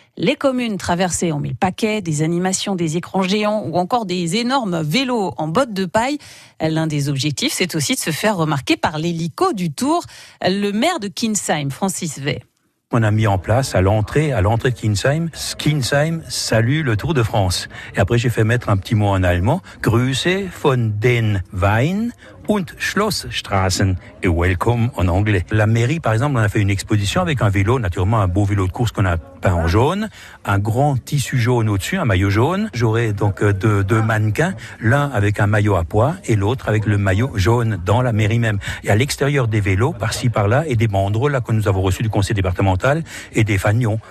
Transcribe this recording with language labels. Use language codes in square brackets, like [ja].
[fr] Les communes traversées ont mis le paquet, des animations, des écrans géants ou encore des énormes vélos en bottes de paille. L'un des objectifs, c'est aussi de se faire remarquer par l'hélico du Tour. Le maire de Kinsheim, Francis Vey. On a mis en place à l'entrée de Kinsheim, Kinsheim salue le Tour de France. Et après, j'ai fait mettre un petit mot en allemand. [de] Grüße von den Wein und Schlossstraßen. [fr] Et welcome en anglais. La mairie, par exemple, on a fait une exposition avec un vélo, naturellement un beau vélo de course qu'on a peint en jaune. Un grand tissu jaune au-dessus, un maillot jaune. J'aurai donc deux mannequins, l'un avec un maillot à pois et l'autre avec le maillot jaune dans la mairie même. Et à l'extérieur des vélos, par-ci, par-là, et des banderoles là, que nous avons reçues du conseil départemental et des fanions.